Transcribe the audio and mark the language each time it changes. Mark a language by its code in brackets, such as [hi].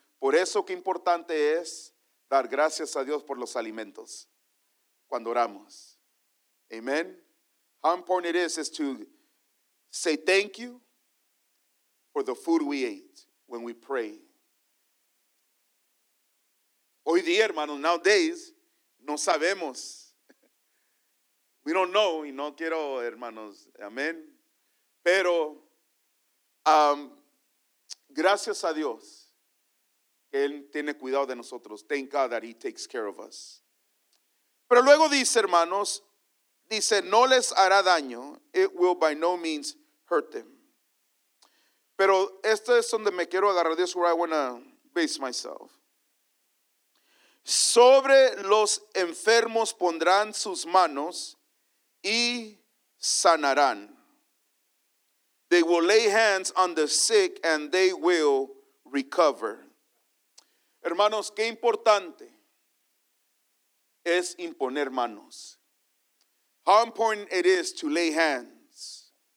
[es] Por eso que importante es dar gracias a Dios por los alimentos cuando oramos. Amen. [en] How important it is to say thank you for the food we ate when we pray. [es] Hoy día, hermanos, [en] nowadays, [es] no sabemos We don't know, y no quiero, hermanos, amén. Pero, gracias a Dios, Él tiene cuidado de nosotros. [en] Thank God that He takes care of us. [es] Pero luego dice, hermanos, dice, no les hará daño. [en] It will by no means hurt them. [es] Pero esto es donde me quiero agarrar. [en] This is where I want to base myself. [es] Sobre los enfermos pondrán sus manos y sanarán. [en] They will lay hands on the sick and they will recover. [es] Hermanos, qué importante es imponer manos. [en] How important it is to lay hands.